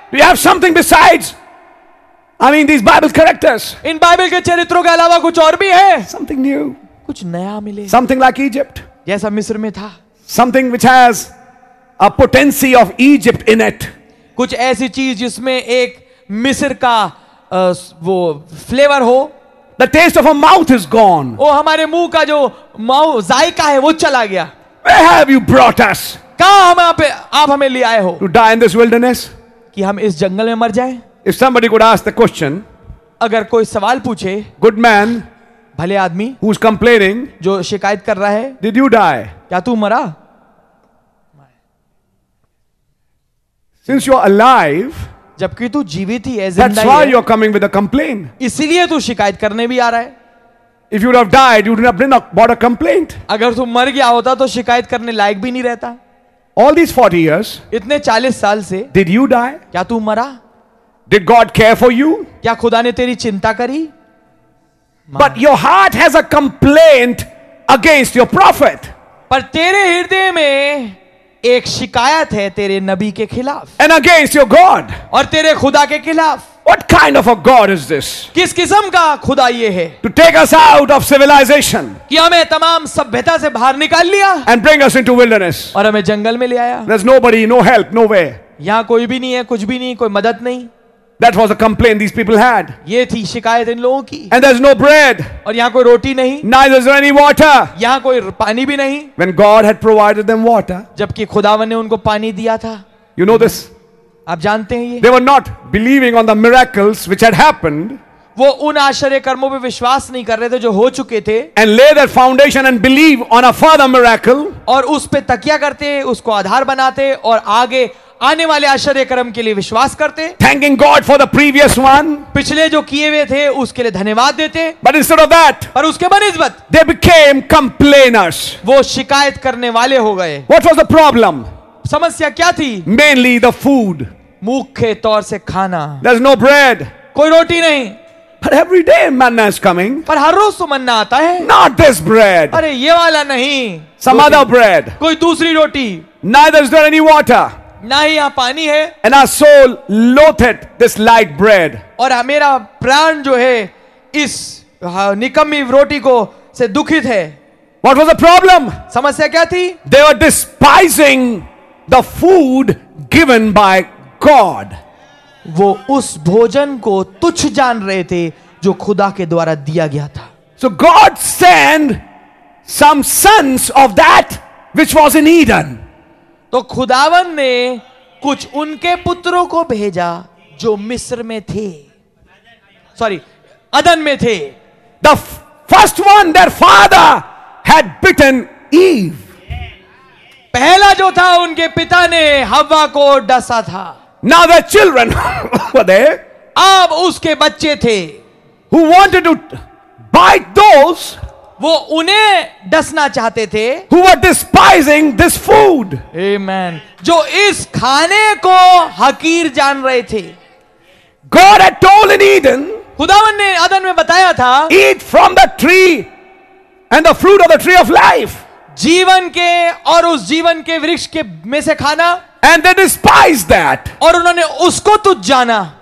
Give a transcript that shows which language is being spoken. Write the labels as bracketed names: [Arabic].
[English] Do you have something besides? I mean these Bible characters. [Hindi] In Bible के चरित्रों के अलावा कुछ और भी है? [English] Something new. [Hindi] कुछ नया मिले. [English] Something like Egypt. [Hindi] जैसा मिस्र में था. [English] Something which has a potency of Egypt in it. [Hindi] कुछ ऐसी चीज जिसमें एक मिस्र का वो फ्लेवर हो. [English] The taste of a mouth is gone. [Hindi] वो हमारे मुंह का जो माउथ जायका है वो चला गया. [English] Where have you brought us? [Hindi] कहाँ हम आप हमें ले आए हो? [English] To die in this wilderness? [Hindi] कि हम इस जंगल में मर जाएं? [English] If somebody could ask the question, [Hindi] अगर कोई सवाल पूछे, [English] good man, [Hindi] भले आदमी, [English] who's complaining, [Hindi] जो शिकायत कर रहा है, [English] did you die? [Hindi] क्या तू मरा? [English] Since you're alive, [Hindi] जबकि तू जीवित ही है, [English] that's why you're coming with a complaint. [Hindi] इसीलिए तू शिकायत करने भी आ रहा है. [English] If you would have died, you would have been brought a complaint. [Hindi] अगर तू मर गया होता तो शिकायत करने लायक भी नहीं रहता. [English] All these 40 years, [Hindi] इतने 40 साल से, [English] did you die? [Hindi] क्या तू मरा? [English] Did God care for you? [Hindi] क्या खुदा ने तेरी चिंता करी? [English] But your heart has a complaint against your prophet. [Hindi] पर तेरे हृदय में एक शिकायत है तेरे नबी के खिलाफ. [English] And against your God. [Hindi] और तेरे खुदा के खिलाफ. [English] What kind of a God is this? [Hindi] किस किस्म का खुदा ये है? [English] To take us out of civilization. [Hindi] कि हमें तमाम सभ्यता से बाहर निकाल लिया. [English] And bring us into wilderness. [Hindi] और हमें जंगल में ले आया. [English] There's nobody, no help, nowhere. [Hindi] यहाँ कोई भी नहीं है, कुछ भी नहीं, कोई मदद नहीं. [English] That was a complaint these people had. [Hindi] ये थी शिकायत इन लोगों की. [English] And there's no bread. [Hindi] और यहाँ कोई रोटी नहीं. [English] Neither is there any water. [Hindi] यहाँ कोई पानी भी नहीं. [English] When God had provided them water. [Hindi] जबकि खुदावन ने उनको पानी दिया था. [English] You know this. [Hindi] आप जानते हैं ये? [English] They were not believing on the miracles which had happened. [Hindi] वो उन आश्चर्य कर्मों पे विश्वास नहीं कर रहे थे जो हो चुके थे. [English] And lay that foundation and believe on a further miracle. [Hindi] और उस पे तकिया करते, उसको आधार बनाते और आगे आने वाले आश्चर्य कर्म के लिए विश्वास करते. [English] Thanking God for the previous one. [Hindi] पिछले जो किए हुए थे उसके लिए धन्यवाद देते. [English] But instead of that, [Hindi] पर उसके बनिस्बत, [English] they became complainers. [Hindi] वो शिकायत करने वाले हो गए. [English] What was the problem? [Hindi] समस्या क्या थी? [English] Mainly the food. [Hindi] मुख्य तौर से खाना. [English] There's no bread. [Hindi] कोई रोटी नहीं. [English] But every day manna is coming. [Hindi] पर हर रोज तो मन्ना आता है. [English] Not this bread. [Hindi] अरे ये वाला नहीं. [English] Some other bread. [Hindi] कोई दूसरी रोटी. [English] Neither is there any water. [Hindi] ना ही यहाँ पानी है. [English] And our soul loathed this light bread. [Hindi] और मेरा प्राण जो है इस निकम्मी रोटी को से दुखित है. [English] What was the problem? [Hindi] समस्या क्या थी? [English] They were despising the food given by God. [Hindi] वो उस भोजन को तुच्छ जान रहे थे जो खुदा के द्वारा दिया गया था. [English] So God sent some sons of that which was in Eden. [Hindi] तो खुदावन ने कुछ उनके पुत्रों को भेजा जो मिस्र में थे. सॉरी, अदन में थे. [English] The first one their father had bitten Eve. [Hindi] पहला जो था उनके पिता ने हव्वा को डसा था. [English] Now the children were there. [Hindi] अब उसके बच्चे थे. [English] Who wanted to bite those? [Hindi] वो उन्हें डसना चाहते थे. [English] Who were despising this food? [Hindi] Amen. जो इस खाने को हकीर जान रहे थे. [English] God had told in Eden. [Hindi] खुदावन ने अदन में बताया था. [English] Eat from the tree and the fruit of the tree of life. [Hindi] जीवन के और उस जीवन के वृक्ष के में से खाना. [English] And they despised that. [Hindi] और उन्होंने उसको तुच्छ जाना.